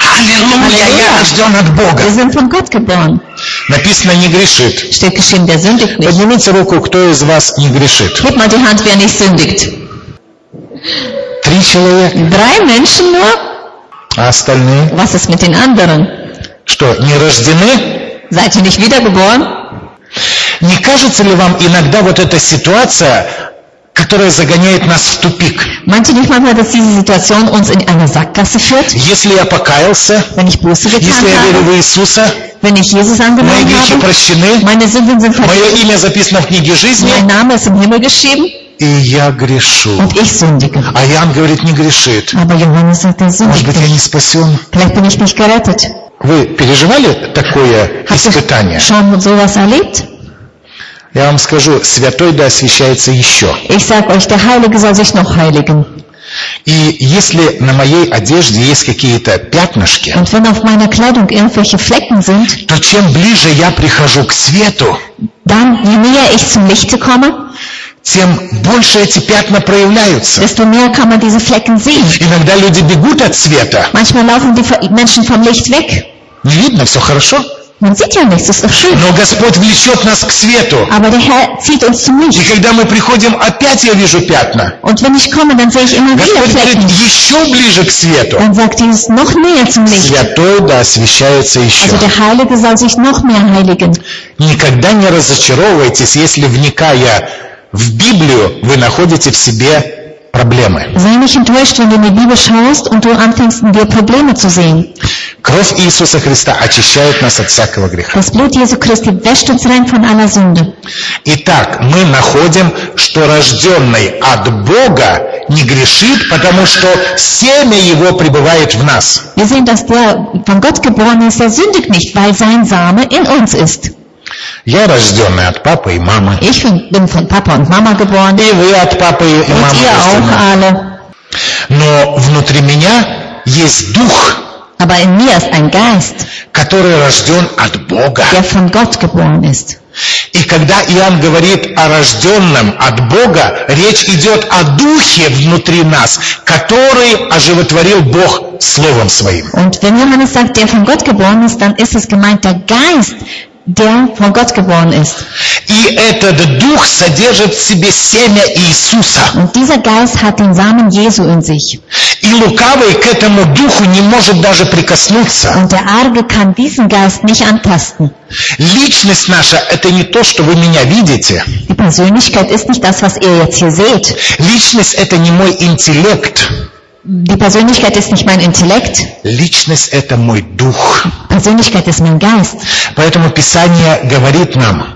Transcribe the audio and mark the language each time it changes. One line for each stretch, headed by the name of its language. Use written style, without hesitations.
Russian: Аллилуйя, я рожден от Бога.
German: Wir sind von Gott geboren.
Russian: Написано, не грешит.
German: Steht geschrieben, der sündigt nicht.
Russian: Поднимите руку, кто из вас не грешит.
German: Hebt mal die Hand, wer nicht sündigt.
Russian: Три человека.
German: Drei Menschen nur.
Russian: А остальные?
German: Was ist mit den anderen?
Russian: Что, не рождены?
German: Seid ihr nicht wiedergeboren?
Russian: Не кажется ли вам иногда вот эта ситуация, которая загоняет нас в тупик?
German: Manche nicht manchmal, dass diese Situation uns in eine Sackgasse führt?
Russian: Если я покаялся,
German: wenn ich Buße getan
Russian: если я верю в Иисуса,
German: wenn ich Jesus angenommen
Russian: мои грехи прощены,
German: meine Sünden sind vergeben,
Russian: мое имя записано в книге жизни,
German: mein Name ist im Himmel geschrieben,
Russian: и я грешу.
German: Und ich sündige.
Russian: А Иоанн говорит, не грешит.
German: Aber Johannes sagt, er sündigt.
Russian: Может быть, я не спасен?
German: Vielleicht bin ich nicht gerettet.
Russian: Вы переживали такое испытание?
German: Schon sowas erlebt?
Russian: Я вам скажу, святой да освящается еще.
German: Ich sag euch, der Heilige soll sich noch heiligen.
Russian: И если на моей одежде есть какие-то пятнышки,
German: und wenn auf meiner Kleidung irgendwelche Flecken sind,
Russian: то чем ближе я прихожу к свету,
German: dann, je näher ich zum Lichte komme,
Russian: тем больше эти пятна проявляются.
German: Desto mehr kann man diese Flecken sehen.
Russian: Иногда люди бегут от света.
German: Manchmal laufen die Menschen vom Licht weg.
Russian: Не видно, все хорошо.
German: Man sieht ja nichts, ist doch schön.
Russian: Но Господь влечет нас к свету.
German: Aber der Herr zieht uns zum Licht.
Russian: И когда мы приходим, опять я вижу пятна.
German: Und wenn ich komme, dann sehe ich immer
Russian: Господь
German: wieder Flecken.
Russian: Говорит, еще ближе к свету.
German: Dann sagt Jesus, noch näher zum Licht.
Russian: Святой да освящается еще.
German: Also der Heilige soll sich noch mehr heiligen.
Russian: Никогда не разочаровывайтесь, если вникая в Библию, вы находите в себе проблемы.
German: Sei nicht enttäuscht, wenn du in die Bibel schaust und du anfängst, in dir Probleme zu sehen.
Russian: Кровь Иисуса Христа очищает нас от всякого греха.
German: Das Blut Jesu Christi wäscht uns rein von aller Sünde.
Russian: Итак, мы находим, что рожденный от Бога не грешит, потому что семя Его пребывает в нас.
German: Wir sehen, dass der von Gott geborene ist, er sündigt nicht, weil sein Same in uns ist.
Russian: Я рожденный от папы и мамы.
German: Ich bin von Papa und Mama geboren.
Russian: И вы от папы и
German: und
Russian: мамы.
German: Ihr auch alle.
Russian: Но внутри меня есть дух.
German: Aber in mir ist ein Geist,
Russian: который рожден от Бога.
German: Der von Gott geboren ist.
Russian: И когда Иоанн говорит о рожденном от Бога, речь идет о духе внутри нас, который оживотворил Бог словом своим.
German: Und wenn Johannes sagt, der von Gott geboren ist, dann ist es gemeint der Geist, der von Gott geboren ist.
Russian: И этот дух содержит в себе семя Иисуса.
German: Und dieser Geist hat den Samen Jesu in sich.
Russian: И лукавый к этому духу не может даже прикоснуться.
German: Und der Arge kann diesen Geist nicht antasten.
Russian: Личность наша – это не то, что вы меня видите.
German: Die Persönlichkeit ist nicht das, was ihr jetzt hier seht.
Russian: Личность – это не мой интеллект.
German: Die Persönlichkeit ist nicht mein Intellekt.
Russian: Личность – это мой дух.
German: Persönlichkeit ist mein Geist.
Russian: Поэтому Писание говорит нам.